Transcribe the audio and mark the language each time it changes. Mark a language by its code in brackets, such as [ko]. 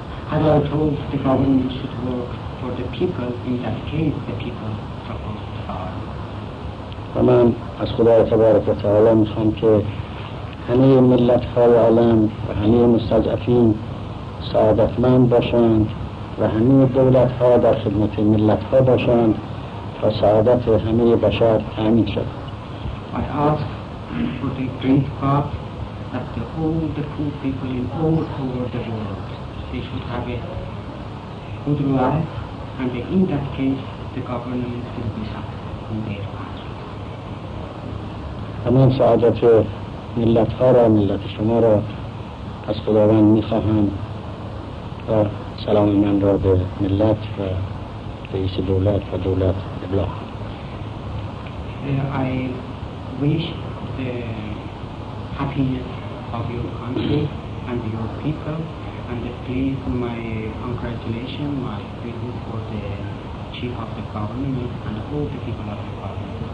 [en] Had I told the government should work for the people, in that case the people supported the government. [fa] و من از خدای تبارک و تعالی میخوام که همه ملت های عالم و همه مستضعفین سعادتمند باشند و همه دولت ها در خدمت ملت ها باشند تا سعادت همه بشر تأمین شد. [en] I ask for the great God that the all the poor people in all over the world they should have a good life and in that case the government will be successful in their country. [fa] همان سعادت ملت ها را ملت شما را از خداوند می خواهم و سلام من را به ملت و رئیس دولت و دولت ابلاغ. [en] I wish the happiness of your country and your people, and please my congratulations, my greetings for the chief of the government and all the people of the government.